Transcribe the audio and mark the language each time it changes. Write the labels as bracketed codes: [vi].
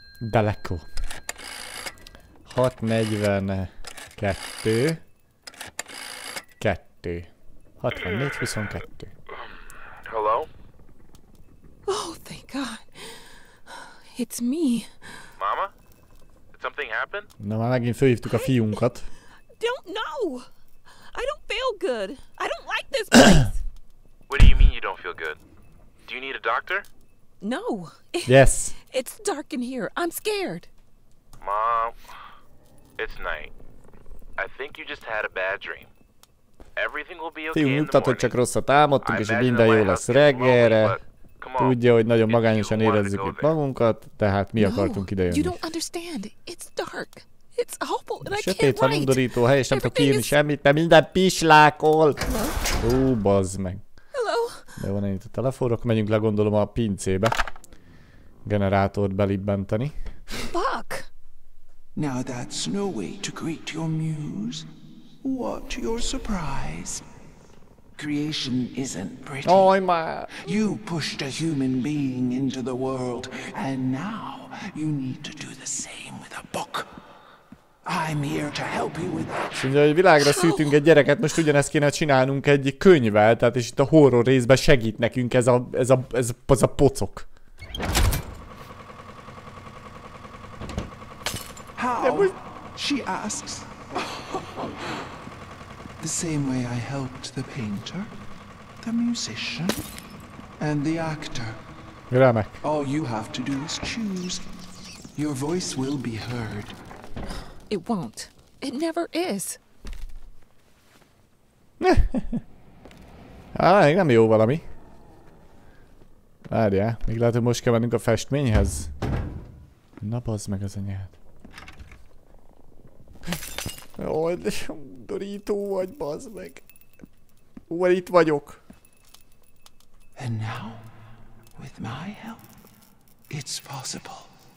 [en] Deleko. 642. 2. 64-22. Hello? Oh, thank God. It's me. Mama? something happen? [hu] Na már megint fölhívtuk a fiunkat. [en] Don't know. I don't feel good. I don't like this place. What do you mean you don't feel good? Do you need a doctor? No. Yes. It's dark in here. I'm scared. Mom, it's night. I think you just had a bad dream. Everything will be okay. [hu] Fiú mutat, hogy csak rosszat álmodtunk, és hogy minden jó lesz reggelre. Tudja, hogy nagyon magányosan érezzük itt magunkat, tehát mi akartunk idejönni. [en] You don't understand. It's dark. It's awful, and I can't [hu] write. Sötét van, undorító hely, és nem tudok írni semmit, mert minden pislákol. Ó, bazd meg. De van ennyit a telefonra, akkor megyünk legondolom a pincébe. Generátort belibbenteni. [en] Fuck! Now that's no way to greet your muse. What your surprise. Creation isn't pretty. Oh, I'm a... You pushed a human being into the world, and now you need to do the same with a book. I'm here to help you with that. [hu] Szóval, hogy világra szültünk egy gyereket, most ugyanezt kéne csinálnunk egy könyvvel, tehát és itt a horror részben segít nekünk ez a pocok. [en] How? She asks. The same way I helped the painter, the musician, and the actor. [hu] Remek. [en] All you have to do is choose. Your voice will be heard. It won't. It never is. [hu] Ah, még nem jó valami. Várjál, még lehet, hogy most kell mennünk a festményhez. Na, bazd meg az anyád. Jaj, de undorító vagy, bazd meg. Úr, itt vagyok. [en] And now, with my help, it's possible.